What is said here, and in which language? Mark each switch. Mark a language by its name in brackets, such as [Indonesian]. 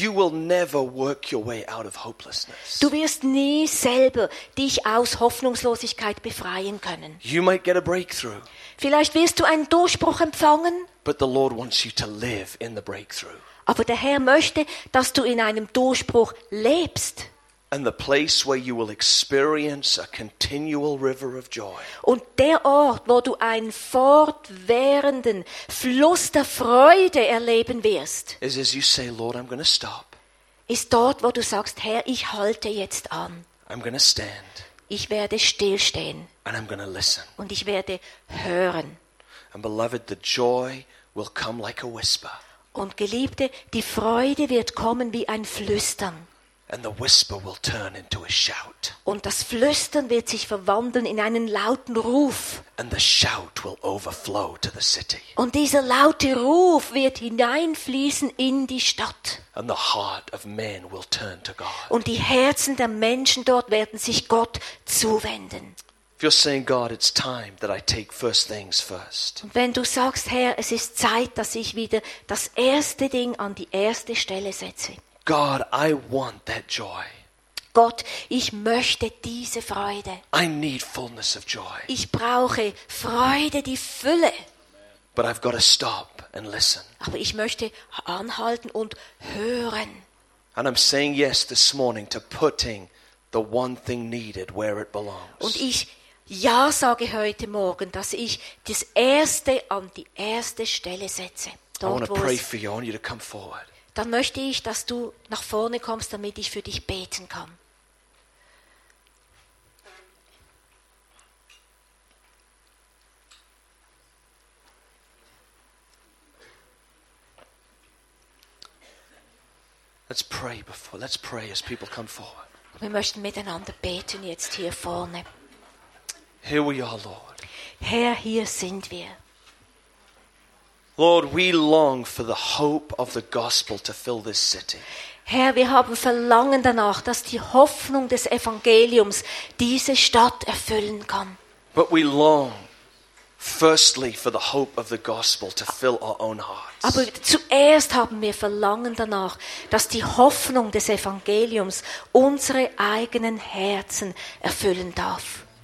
[English] You will never work your way out of hopelessness. [German] Du wirst nie selber dich aus Hoffnungslosigkeit befreien können. [English] You might get a breakthrough. [German] Vielleicht wirst du einen Durchbruch empfangen. [English] But the Lord wants you to live in the breakthrough. [German] Aber der Herr möchte, dass du in einem Durchbruch lebst. [English] And the place where you will experience a continual river of joy. [German] Und der Ort, wo du einen fortwährenden Fluss der Freude erleben wirst, [English] is as you say, Lord, I'm going to stop. [German] Ist dort, wo du sagst, Herr, ich halte jetzt an. [English] I'm going to stand. [German] Ich werde stillstehen. [English] And I'm going to listen. [German] Und ich werde hören. [English] And beloved, the joy will come like a whisper. [German] Und Geliebte, die Freude wird kommen wie ein Flüstern. [English] And the whisper will turn into a shout. [German] Und das Flüstern wird sich verwandeln in einen lauten Ruf. [English] And the shout will overflow to the city. [German] Und dieser laute Ruf wird hineinfließen in die Stadt. [English] And the heart of men will turn to God. [German] Und die Herzen der Menschen dort werden sich Gott zuwenden. [English] you're saying, God, it's time that I take first things first. [German] Und wenn du sagst, Herr, es ist Zeit, dass ich wieder das erste Ding an die erste Stelle setze. [English] God, I want that joy. [German] Gott, ich möchte diese Freude. [English] I need fullness of joy. [German] Ich brauche Freude, die Fülle. [English] But I've got to stop and listen. [German] Aber ich möchte anhalten und hören. [English] And I'm saying yes this morning to putting the one thing needed where it belongs. [German] Und ich ja sage heute Morgen, dass ich das Erste an die erste Stelle setze. [English] Dort, I want to pray for you. I want you to come forward. [German] Dann möchte ich, dass du nach vorne kommst, damit ich für dich beten kann. [English] Let's pray as people come forward. [German] Wir möchten miteinander beten jetzt hier vorne. [English] Here we are, Lord. [German] Herr, hier sind wir. [English] Lord, we long for the hope of the gospel to fill this city. [German] Herr, wir haben Verlangen danach, dass die Hoffnung des Evangeliums diese Stadt erfüllen kann. [English] But we long firstly for the hope of the gospel to fill our own hearts. [German] Aber zuerst haben wir Verlangen danach, dass die Hoffnung des Evangeliums unsere eigenen Herzen erfüllen darf.